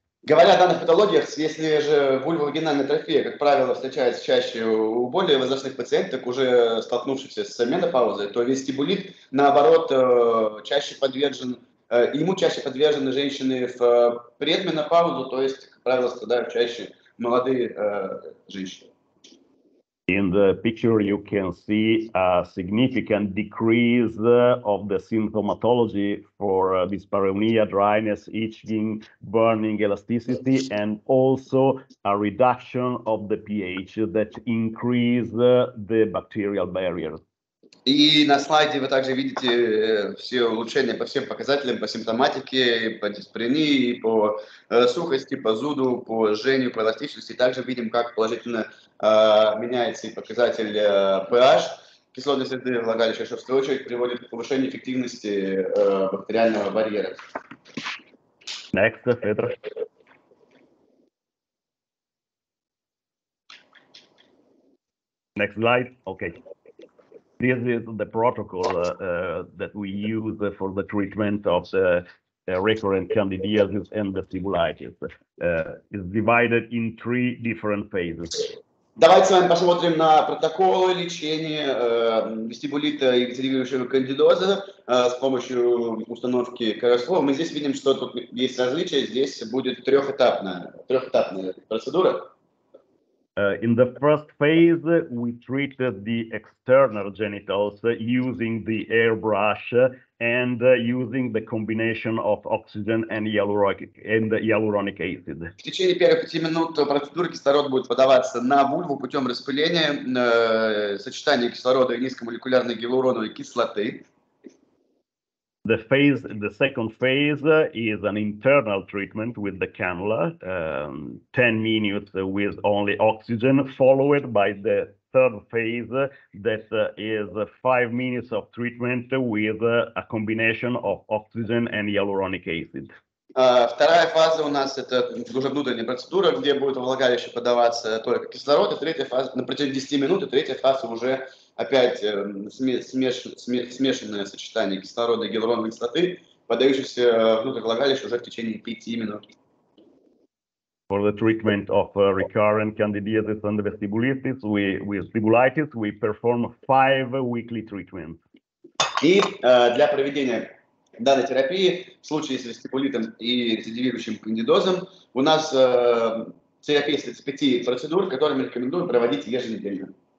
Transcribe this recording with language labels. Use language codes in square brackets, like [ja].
[ru] Говоря о данных патологиях, если же вульвовагинальная атрофия, как правило, встречается чаще у более возрастных пациенток, уже столкнувшихся с менопаузой, то вестибулит, наоборот, чаще подвержен ему чаще подвержены женщины в предменопаузу, то есть, как правило, страдают чаще молодые женщины. [en] In the picture you can see a significant decrease of the symptomatology for dyspareunia, dryness, itching, burning elasticity, and also a reduction of the pH that increase the bacterial barrier. [ru] И на слайде вы также видите все улучшения по всем показателям, по симптоматике, по диспарении, по сухости, по зуду, по жжению, по эластичности. Также видим, как положительно меняется и показатель pH, кислотной среды влагалища, что в свою очередь приводит к повышению эффективности бактериального барьера. [en] Next, Петр. Next slide, okay. This is the protocol that we use for the treatment of the recurrent candidiasis and vestibulitis. It's divided in three different phases. [ru] Давайте с вами посмотрим на протокол лечения вестибулита и рецидивирующего кандидоза с помощью установки Carisflu. Мы здесь видим, что тут есть различия. Здесь будет трехэтапная процедура. [en] In the first phase, we treat the external genitals using the airbrush and using the combination of oxygen and hyaluronic acid. [ru] В течение первых 5 минут процедуры кислород будет подаваться на вульву путем распыления сочетания кислорода и низкомолекулярной гиалуроновой кислоты. [en] The second phase is an internal treatment with the cannula, 10 minutes with only oxygen, followed by the third phase that is 5 minutes of treatment with a combination of oxygen and hyaluronic acid. [ru] Вторая фаза у нас это уже внутренняя процедура, где будет влагалище подаваться только кислород. И третья фаза на протяжении 10 минут, и третья фаза уже опять смешанное сочетание кислорода и гиалуроновой кислоты, подающееся внутрь влагалища уже в течение 5 минут. [en] For the treatment of recurrent candidiasis and vestibulitis, we perform 5 weekly treatments. [ru] И для проведения данной терапии в случае с вестибулитом и рецидивирующим кандидозом у нас терапия состоит из 5 процедур, которые мы рекомендуем проводить еженедельно.